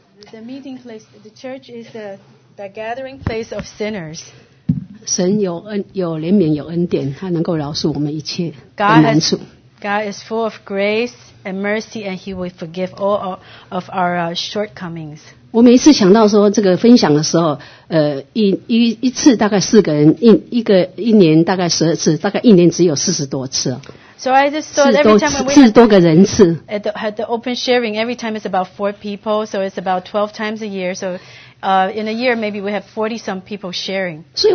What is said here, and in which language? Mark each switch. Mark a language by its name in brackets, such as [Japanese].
[English] The meeting place, the church is the gathering place of sinners. [Chinese] 神有怜悯有恩典, 祂能够饶恕我们一切, [English] God is full of grace and mercy, and He will forgive all of our shortcomings. [Chinese] 我每一次想到说这个分享的时候, 一次大概四个人, 一年大概12次, 大概一年只有40多次。 [English] So I just thought every time when we had the open sharing, every time it's about 4 people, so it's about 12 times a year. So in a year, maybe we have 40 some people sharing.